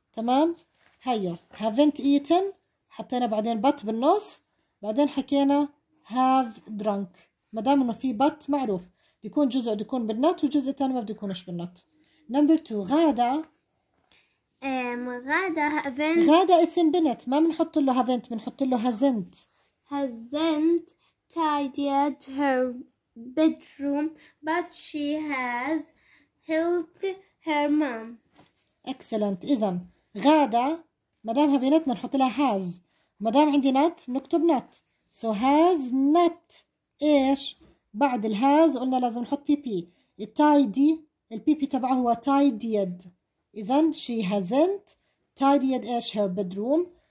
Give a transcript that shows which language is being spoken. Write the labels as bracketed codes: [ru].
[ar] تمام؟ هيا [en] haven't eaten، [ar] حطينا بعدين but بالنص، بعدين حكينا [en] have drunk. [ar] مدام إنه في but معروف يكون جزء يكون بالنات وجزء تاني ما بده يكونش بالنات. [en] number two غادة. غادة haven't. [ar] غادة اسم بنت، ما بنحط له haven't، بنحط له hasn't. [en] hasn't tidied her bedroom but she has helped her mom. excellent. [ar] اذا غادة مدامها بنت نحط لها has، مدام عندي not بنكتب not. [en] so has not [ar] ايش بعد ال has؟ قلنا لازم نحط pp. tidy ال pp تبعه هو tidied. اذا [en] she hasn't tidied [ar] ايش [en] her bedroom.